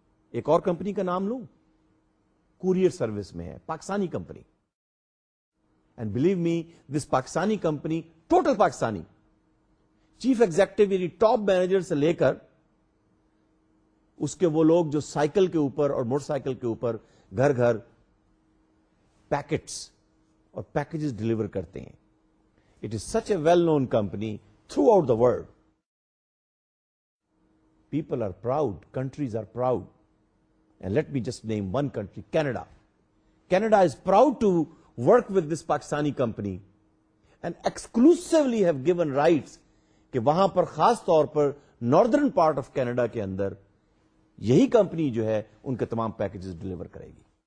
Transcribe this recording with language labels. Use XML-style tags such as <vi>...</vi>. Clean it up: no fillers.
<ur>ایک اور کمپنی کا نام لوں، کوریئر سروس میں ہے Pakistani company,</ur> <en>and believe me this Pakistani company</en> <ur>total Pakistani, chief executive یعنی ٹاپ مینیجر سے لے کر اس کے وہ لوگ جو سائیکل کے اوپر اور موٹر سائیکل کے اوپر گھر گھر پیکٹس اور پیکجز ڈلیور کرتے ہیں.</ur> <en>It is such a well known company throughout the world. People are proud, countries are proud. And let me just name one country, Canada. Canada is proud to work with this Pakistani company and exclusively have given rights کہ وہاں پر خاص طور پر northern part of Canada</en> <ur>کے اندر یہی company جو ہے ان کے تمام پیکجز ڈلیور کرے گی.</ur>